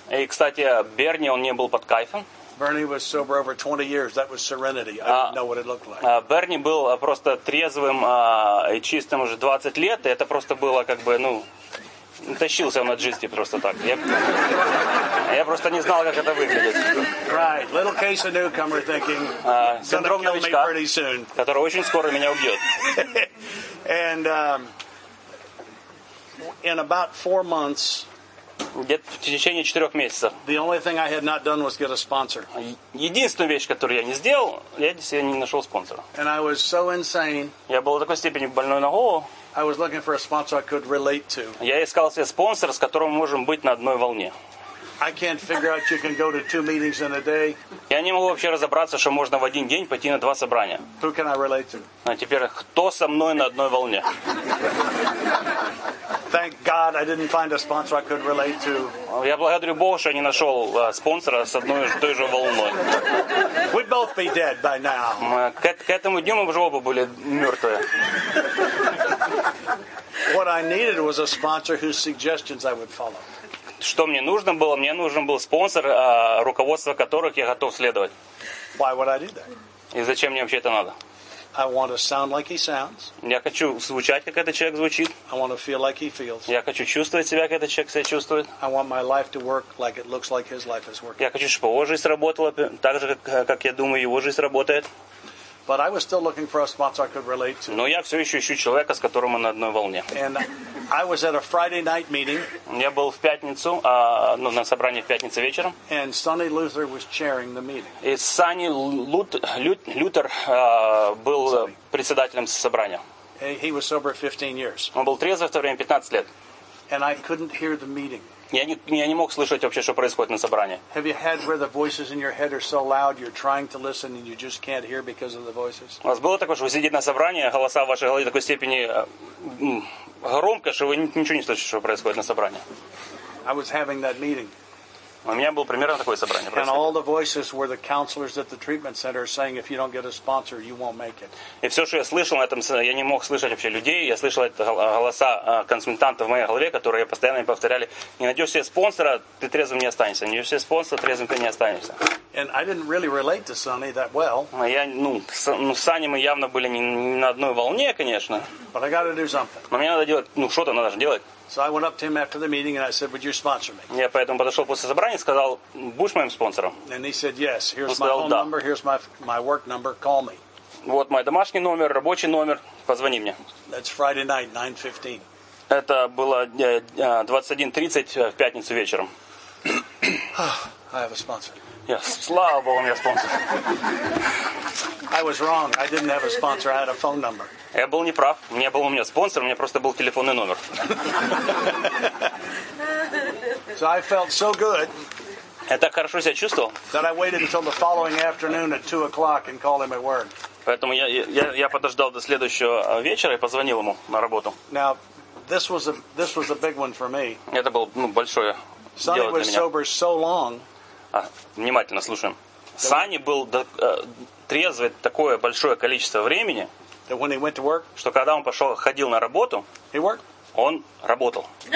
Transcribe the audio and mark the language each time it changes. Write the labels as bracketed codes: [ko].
[ru] И, кстати, Берни, он не был под кайфом. [en] Bernie was sober over 20 years. That was serenity. I didn't know what it looked like. [ru] Берни был просто трезвым и чистым уже 20 лет, и это просто было как бы, ну, тащился он от жизни просто так. Я просто не знал, как это выглядит. [en] Right. Little case of newcomer thinking, [ru] синдром новичка, который очень скоро меня убьет. [en] And in about 4 months, [ru] где-то в течение 4 месяцев, [en] the only thing I had not done was get a sponsor. [ru] Единственную вещь, которую я не сделал, я себе не нашел спонсора. [en] And I was so insane. [ru] Я был в такой степени больной на голову. [en] I was looking for a sponsor I could relate to. [ru] Я искал себе спонсора, с которым мы можем быть на одной волне. [en] I can't figure out you can go to 2 meetings in a day. [ru] Я не могу вообще разобраться, что можно в один день пойти на 2 собрания. [en] Who can I relate to? [ru] А теперь кто со мной на одной волне? [en] Thank God I didn't find a sponsor I could relate to. [ru] Я благодарю Бога, что я не нашел спонсора с одной той же волной. [en] We'd both be dead by now. [ru] К этому дню мы уже оба были мертвые. [en] What I needed was a sponsor whose suggestions I would follow. [ru] Что мне нужно было? Мне нужен был спонсор, руководство которых я готов следовать. [en] Why would I do that? [ru] И зачем мне вообще это надо? [en] I want to sound like he sounds. [ru] Я хочу звучать, как этот человек звучит. [en] I want to feel like he feels. [ru] Я хочу чувствовать себя, как этот человек себя чувствует. [en] I want my life to work like it looks like his life is working. [ru] Я хочу, чтобы его жизнь работала так же, как я думаю, его жизнь работает. [en] But I was still looking for a sponsor I could relate to. [ru] Но я все еще ищу человека, с которым мы на одной волне. [en] And I was at a Friday night meeting. [ru] Я был в пятницу, на собрании в пятницу вечером. [en] And Sonny Luther was chairing the meeting. [ru] И Сонни Лютер был председателем собрания. [en] He was sober 15 years. [ru] Он был трезвый в то время 15 лет. [en] And I couldn't hear the meeting. [ru] Я не мог слышать вообще, что происходит на собрании. [en] Have you had where the voices in your head are so loud you're trying to listen and you just can't hear because of the voices? [ru] У вас было такое, что вы сидите на собрании, голоса в вашей голове такой степени громко, что вы ничего не слышите, что происходит на собрании? [en] I was having that meeting. [ru] У меня было примерно такое собрание. [en] And all the voices were the counselors at the treatment center saying, if you don't get a sponsor, you won't make it. [ru] И все, что я слышал на этом, я не мог слышать вообще людей. Я слышал голоса консультантов в моей голове, которые постоянно повторяли: не найдешь себе спонсора, ты трезвым не останешься. Не найдешь себе спонсора, трезвым ты не останешься. [en] And I didn't really relate to Sonny that well. [ru] Саней мы явно были не на одной волне, конечно. [en] But I got to do something. [ru] Но мне надо делать, что-то надо же делать. [en] So I went up to him after the meeting and I said, "Would you sponsor me?" [ru] Я поэтому подошел после собрания и сказал: "Будешь моим спонсором?" [en] And he said, "Yes. Here's my home number. Here's my work number. Call me." [ru] Вот мой домашний номер, рабочий номер. Позвони мне. [en] That's Friday night, 9:15. [ru] Это было 21:30 в пятницу вечером. [en] I have a sponsor. Yes. [ru] Слава Богу, у меня спонсор. [en] I was wrong. I didn't have a sponsor. I had a phone number. [ru] Я был не прав. Не был у меня спонсор, у меня просто был телефонный номер. [en] So I felt so good. [ru] Я так хорошо себя чувствовал. [en] That I waited until the following afternoon at 2 o'clock and called him at work. [ru] Поэтому я подождал до следующего вечера и позвонил ему на работу. [en] Now, this was a big one for me. [ru] Это был большое дело для меня. [en] Sonny was sober so long. [ru] Внимательно слушаем. Сани был трезвый такое большое количество времени, [en] work, [ru] что когда он пошел, ходил на работу, он работал.